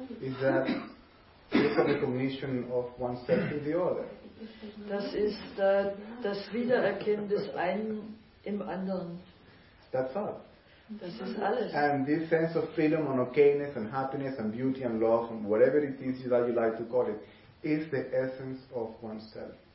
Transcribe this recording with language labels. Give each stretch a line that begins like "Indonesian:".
English: Is that the recognition of one self in the other.
German: Das ist das Wiedererkennen des einen im anderen.
English: That's all.
German: Das ist alles.
English: And this sense of freedom and okayness and happiness and beauty and love and whatever it is that you like to call it, is the essence of oneself.